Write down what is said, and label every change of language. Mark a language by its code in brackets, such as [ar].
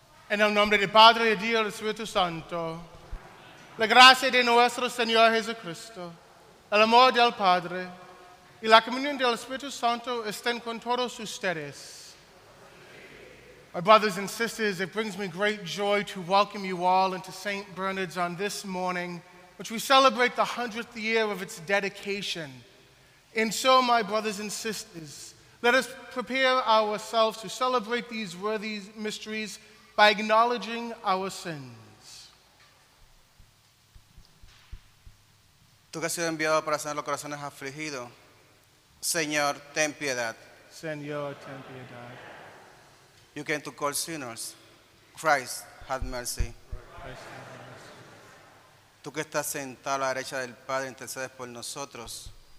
[es] En el nombre del Padre, del Dios y del Espíritu Santo. La gracia de nuestro Señor Jesucristo, el amor del Padre y la comunión del Espíritu Santo estén con todos ustedes. [en] My brothers and sisters, it brings me great joy to welcome you all into St. Bernard's on this morning, which we celebrate the 100th year of its dedication. And so, my brothers and sisters, let us prepare ourselves to celebrate these worthy mysteries by acknowledging our sins. [es] Tú que has sido enviado para sanar los corazones afligidos, Señor, ten piedad. Señor, ten piedad. [en] You came to call sinners. Christ, have mercy. [es] Tú que estás sentado a la derecha del Padre, intercedes por nosotros.